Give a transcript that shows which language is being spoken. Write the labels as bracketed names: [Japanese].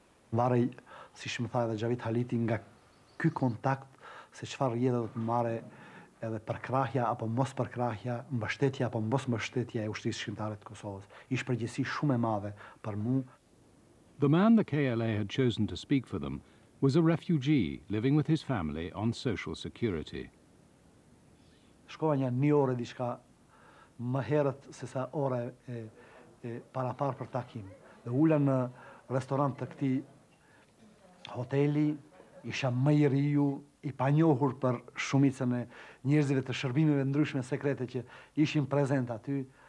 [Albanian] Varej siç më tha edhe Gjavit Haliti nga ky kontakt se çfarë rjedhë do të marrë edhe përkrahja apo mos përkrahja, mbështetja apo mos mbështetja e ushtrisë shqiptare të Kosovës. Ish përgjegjësi shumë e madhe për mua. [English] The man the KLA had chosen to speak for them was a refugee living with his family on social security. [Albanian] Shkova një orë diçka më herët se sa orë e parapar për takim. Dhe ula në restorant të këtij hoteli, isha më I riu, I panjohur për shumicën e njerëzve të shërbimeve ndryshme sekrete që ishin prezent aty.